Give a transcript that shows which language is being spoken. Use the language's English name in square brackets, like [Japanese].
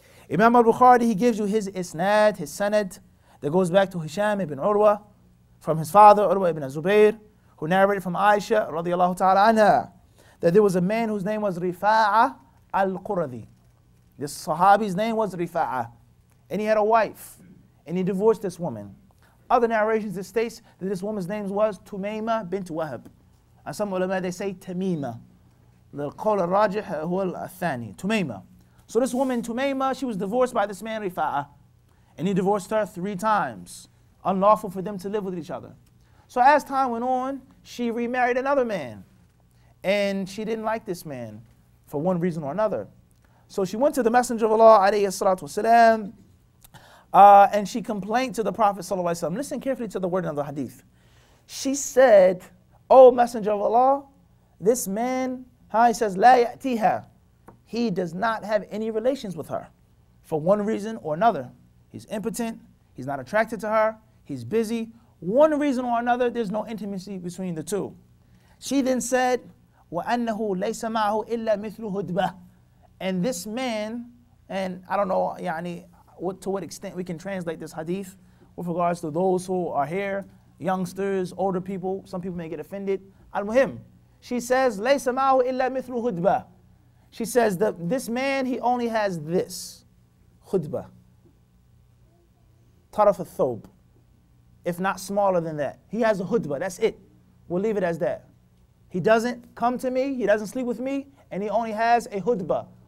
[English] Imam al-Bukhari, he gives you his isnad, his sanad, that goes back to Hisham ibn Urwa, from his father, Urwa ibn Zubayr, who narrated from Aisha, radiallahu ta'ala anha, that there was a man whose name was Rifa'a al-Quradhi. This sahabi's name was Rifa'a. And he had a wife, and he divorced this woman. Other narrations, it states that this woman's name was Tumaymah bint Wahab. And some ulama, they say Tamima. [Arabic] للقول الراجح هو الثاني تميمة. [English] So this woman Tumayma, she was divorced by this man Rifa'a, and he divorced her 3 times. Unlawful for them to live with each other. So as time went on, she remarried another man, and she didn't like this man for one reason or another. So she went to the Messenger of Allah alayhi salatu wasalam, and she complained to the Prophet sallallahu alayhi wasalam. Listen carefully to the word in the hadith. She said, "Oh Messenger of Allah, this man, he says [Arabic] la ya'tiha. [English] He does not have any relations with her for one reason or another. He's impotent, he's not attracted to her, he's busy. One reason or another, there's no intimacy between the two." She then said, [Arabic] وَأَنَّهُ لَيْسَ مَعْهُ إِلَّا مِثْلُ هُدْبَةٍ. [English] And this man, and I don't know يعني, to what extent we can translate this hadith with regards to those who are here, youngsters, older people, some people may get offended. [Arabic] المهم, [English] she says, [Arabic] لَيْسَ مَعْهُ إِلَّا مِثْلُ هُدْبَةٍ. [English] She says that this man, he only has this, khutbah, [Arabic] taraf al-thob, [English] if not smaller than that. He has a khutbah, that's it. We'll leave it as that. He doesn't come to me, he doesn't sleep with me, and he only has a khutbah.